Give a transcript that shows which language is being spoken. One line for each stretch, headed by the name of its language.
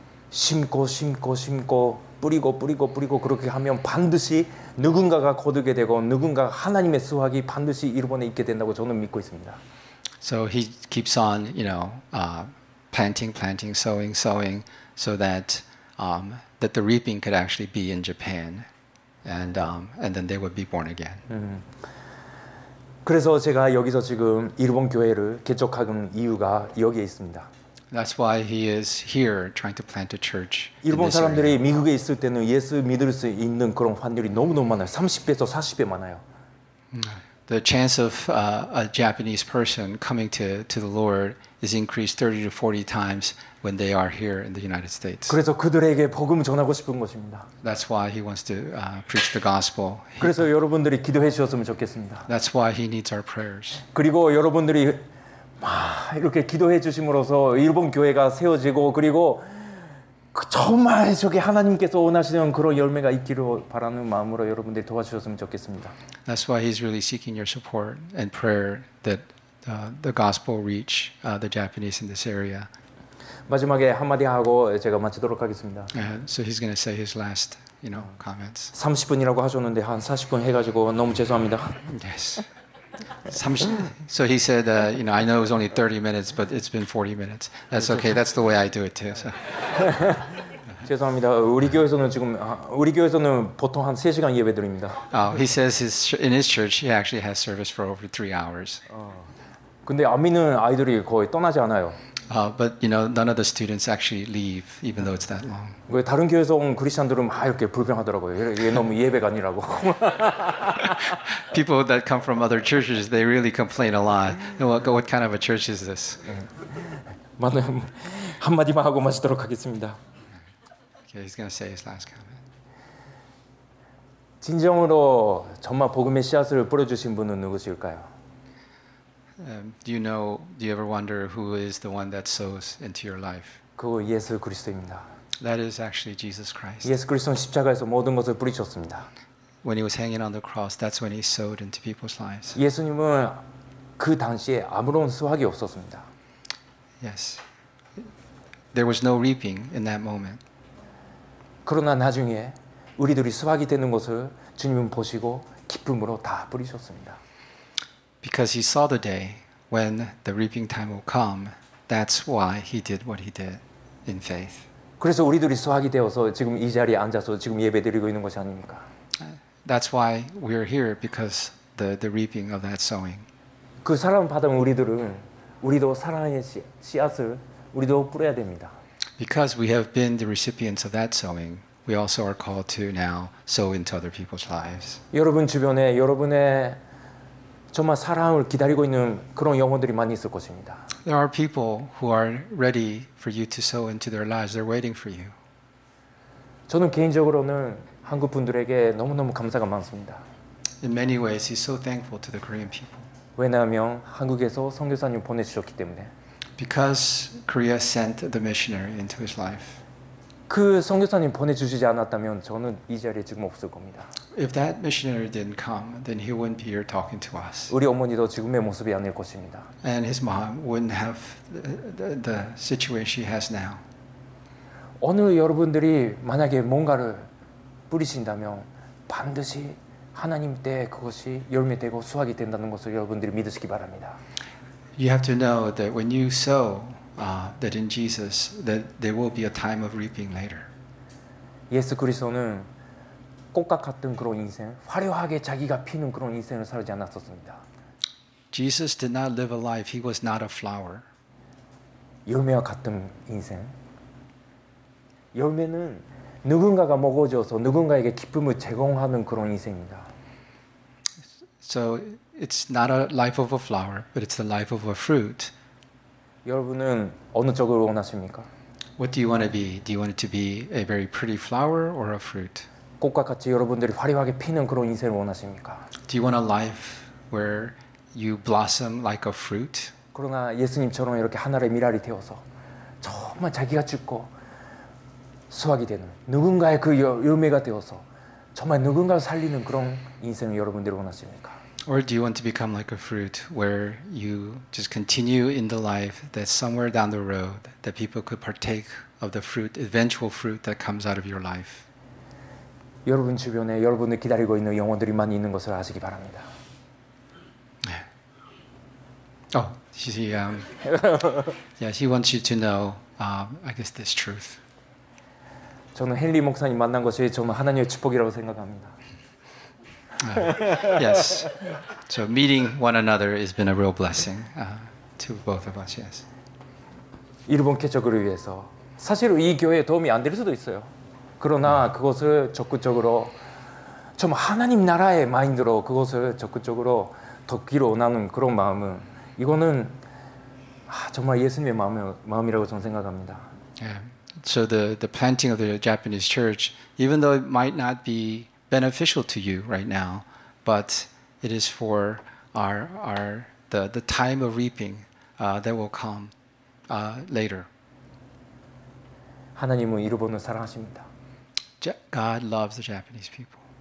Korean: 심고 심고 심고 뿌리고 뿌리고 뿌리고 그렇게 하면 반드시 누군가가 거두게 되고 누군가가 하나님의 수확이 반드시 일본에 있게 된다고 저는 믿고 있습니다.
English: So he keeps on, you know, planting, sowing, so that that the reaping could actually be in Japan, and then they would be born again.
Korean: 그래서 제가 여기서 지금 일본 교회를 개척하는 이유가 여기에 있습니다.
English: That's why he is here trying to plant a church.
Korean: 일본 사람들이 미국에 있을 때는 예수 믿을 수 있는 그런 확률이 너무너무 많아요. 30배에서 40배 많아요.
English: The chance of a Japanese person coming to the Lord is increased 30 to 40 times when they are here in the United States.
Korean: 그래서 그들에게 복음을 전하고 싶은 것입니다.
English: That's why he wants to preach the gospel.
Korean: 그래서 여러분들이 기도해 주셨으면 좋겠습니다.
English: That's why he needs our prayers.
Korean: 그리고 여러분들이 이렇게 기도해 주심으로써 일본 교회가 세워지고 그리고 정말 저게 하나님께서 원하시는 그런 열매가 있기를 바라는 마음으로 여러분들이 도와주셨으면 좋겠습니다.
English: That's why he's really seeking your support and prayer that the gospel reach the Japanese in this area.
Korean: 마지막에 한마디 하고 제가 마치도록 하겠습니다.
English: And so he's going to say his last, you know, comments.
Korean: 30분이라고 하셨는데 한 40분 해가지고 너무 죄송합니다.
English: Yes. So he said, you know, I know it was only 30 minutes, but it's been 40 minutes. That's okay. That's the way I do it too. So.
Korean: 죄송합니다. 우리 교회에서는 지금 우리 교회에서는 보통 한 3시간 예배드립니다.
English: He says his, in his church he actually has service for over 3 hours.
Korean: 근데 안 믿는 아이들이 거의 떠나지 않아요.
English: But you know none of the students actually leave even though it's that long.
Korean: 왜 다른 교회에서 온 그리스도인들은 막 이렇게 불평하더라고요. 이게 너무 예배가 아니라고.
English: People that come from other churches they really complain a lot. What kind of a church is this?
Korean: 마님 한 마디만 하고 마치도록 하겠습니다.
English: Okay, he's going to say his last comment.
Korean: 진정으로 정말 복음의 씨앗을 뿌려 주신 분은 누구실까요?
English: Do you know, do you ever wonder who is the one that sows into your life?
Korean: 그 예수 그리스도입니다.
English: That is actually Jesus Christ.
Korean: 예수 그리스도는 십자가에서 모든 것을 뿌리셨습니다.
English: When he was hanging on the cross, that's when he sowed into people's lives.
Korean: 예수님은 그 당시에 아무런 수확이 없었습니다.
English: Yes. There was no reaping in that moment.
Korean: 그러나 나중에 우리들이 수확이 되는 것을 주님은 보시고 기쁨으로 다 뿌리셨습니다.
English: Because he saw the day when the reaping time will come, that's why he did what he did in faith.
Korean: 그래서 우리들이 수확이 되어서 지금 이 자리에 앉아서 지금 예배드리고 있는 것이 아닙니까?
English: That's why we are here because the reaping of that sowing.
Korean: 그 사랑을 받은 우리들은 우리도 사랑의 씨앗을 우리도 뿌려야 됩니다.
English: Because we have been the recipients of that sowing, we also are called to now sow into other people's lives.
Korean: 여러분 주변에 여러분의 정말 사랑을 기다리고 있는 그런 영혼들이 많이 있을 것입니다.
English: There are people who are ready for you to sow into their lives. They're waiting for you.
Korean: 저는 개인적으로는 한국 분들에게 너무너무 감사가 많습니다.
English: In many ways, he's so thankful to the Korean people.
Korean: 왜냐하면 한국에서 선교사님 보내주셨기 때문에.
English: Because Korea sent the missionary into his life.
Korean: 그 선교사님 보내주시지 않았다면 저는 이 자리에 지금 없을 겁니다.
English: If that missionary didn't come, then he wouldn't be here talking to us.
Korean: 우리 어머니도 지금의 모습이 아닐 것입니다.
English: And his mom wouldn't have the situation she has now.
Korean: 오늘 여러분들이 만약에 뭔가를 뿌리신다면 반드시 하나님 때 그것이 열매 되고 수확이 된다는 것을 여러분들이 믿으시기 바랍니다.
English: You have to know that when you sow that in Jesus, that there will be a time of reaping later.
Korean: 예수 그리스도는 꽃과 같은 그런 인생, 화려하게 자기가 피는 그런 인생을 살지 않았었습니다.
English: Jesus did not live a life. He was not a flower.
Korean: 열매와 같은 인생. 열매는 누군가가 먹어줘서 누군가에게 기쁨을 제공하는 그런 인생입니다.
English: So it's not a life of a flower, but it's the life of a fruit.
Korean: 여러분은 어느 쪽을 원하십니까?
English: What do you want to be? Do you want it to be a very pretty flower or a fruit?
Korean: 꽃과 같이 여러분들이 화려하게 피는 그런 인생을 원하십니까?
English: Do you want a life where you blossom like a fruit?
Korean: 그러나 예수님처럼 이렇게 하나님의 밀알이 되어서 정말 자기가 죽고 수확이 되는 누군가의 그 열매가 되어서 정말 누군가를 살리는 그런 인생을 여러분들이 원하십니까?
English: Or do you want to become like a fruit where you just continue in the life that somewhere down the road that people could partake of the fruit, eventual fruit that comes out of your life?
Korean: 여러분 주변에 여러분을 기다리고 있는 영혼들이 많이 있는 것을 아시기 바랍니다. 네.
English: Oh, she, yeah, she wants you to know, I guess this truth.
Korean: 저는 헨리 목사님 만난 것이 정말 하나님의 축복이라고 생각합니다.
English: Yes. So meeting one another has been a real blessing to both of us. Yes.
Korean: 일본 개척을 위해서 사실 이 교회에 도움이 안 될 수도 있어요. 그러나 그것을 적극적으로 정말 하나님 나라의 마인드로 그것을 적극적으로 돕기로 원하는 그런 마음은 이거는 정말 예수님의 마음이라고 저는 생각합니다.
English: Yeah. So the planting of the Japanese church, even though it might not be beneficial to you right now, but it is for the time of reaping that will come later.
Korean: 하나님은 일본을 사랑하십니다.
English: God loves the Japanese people.